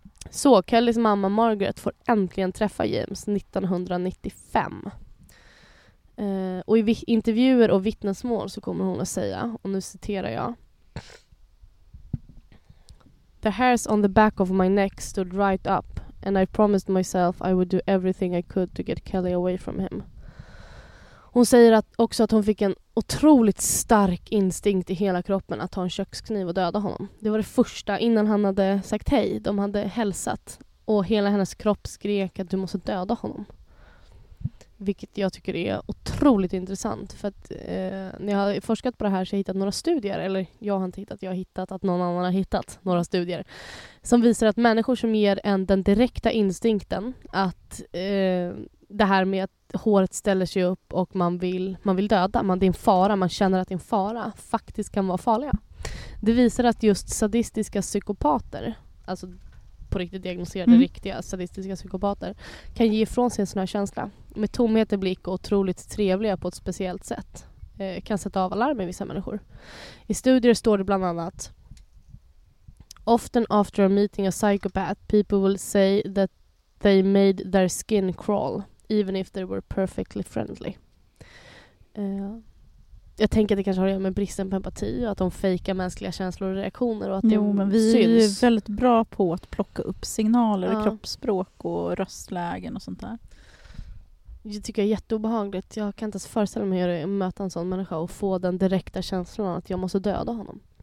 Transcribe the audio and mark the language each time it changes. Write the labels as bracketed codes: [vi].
[sv] Så Kellys mamma Margaret får äntligen träffa James 1995. Och i intervjuer och vittnesmål så kommer hon att säga, och nu citerar jag: [en] "The hairs on the back of my neck stood right up. And I promised myself I would do everything I could to get Kelly away from him." [sv] Hon säger också att hon fick en otroligt stark instinkt i hela kroppen att ta en kökskniv och döda honom. Det var det första innan han hade sagt hej. De hade hälsat. Och hela hennes kropp skrek att du måste döda honom. Vilket jag tycker är otroligt intressant. För att när jag har forskat på det här så har jag hittat några studier. Eller jag har inte hittat, jag har hittat att någon annan har hittat några studier. Som visar att människor som ger en den direkta instinkten. Att det här med att håret ställer sig upp och man vill döda. Det är en fara, man känner att det är en fara. Faktiskt kan vara farliga. Det visar att just sadistiska psykopater. Alltså på riktigt diagnoserade riktiga sadistiska psykopater. Kan ge ifrån sig en sån här känsla. Med tomhet i blick och otroligt trevliga på ett speciellt sätt. Kan sätta av alarm i vissa människor. I studier står det bland annat: [en] "Often after meeting a psychopath, people will say that they made their skin crawl, even if they were perfectly friendly." [sv] Jag tänker att det kanske har att göra med bristen på empati och att de fejkar mänskliga känslor och reaktioner. Och att jo, men vi syns. Är väldigt bra på att plocka upp signaler, ja. Kroppsspråk och röstlägen och sånt där. Det tycker jag är jätteobehagligt. Jag kan inte ens föreställa mig att möta en sån människa och få den direkta känslan att jag måste döda honom.